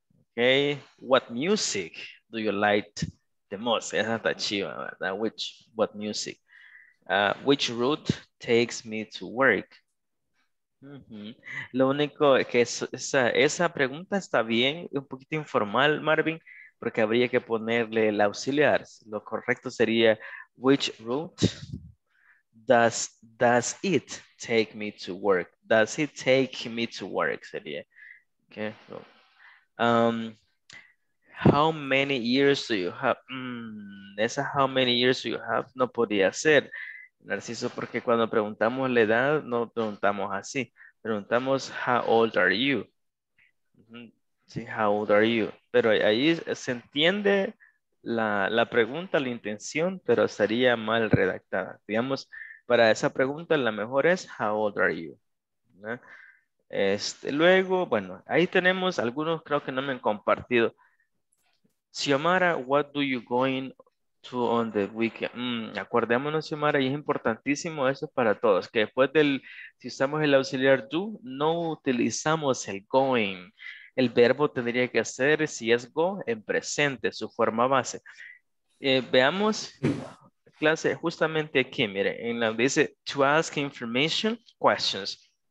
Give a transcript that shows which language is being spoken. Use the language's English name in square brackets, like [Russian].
[English] Okay, what music do you like the most? [Spanish] Esa está chiva, ¿verdad? [English] What music? Which route takes me to work? [Spanish] Lo único que es, esa pregunta está bien, un poquito informal, Marvin, porque habría que ponerle el auxiliar. Lo correcto sería, [English] which route does it take me to work? Does it take me to work? Sería. Okay. How many years do you have? [Spanish] Esa [English] how many years do you have [Spanish] no podía ser, Narciso, porque cuando preguntamos la edad, no preguntamos así. Preguntamos, [English] how old are you? Sí, how old are you? [Spanish] Pero ahí se entiende la pregunta, la intención, pero estaría mal redactada. Digamos, para esa pregunta, la mejor es, [English] how old are you? [Spanish] ¿No? Luego, bueno, ahí tenemos algunos, creo que no me han compartido. [English] Xiomara, what do you going to on the weekend? [Spanish] Acordémonos, Xiomara, y es importantísimo eso para todos, que después del, si usamos el auxiliar do, no utilizamos el going. El verbo tendría que ser, si es go, en presente, su forma base. Veamos, clase, justamente aquí, mire, en la dice, [English] to ask information questions.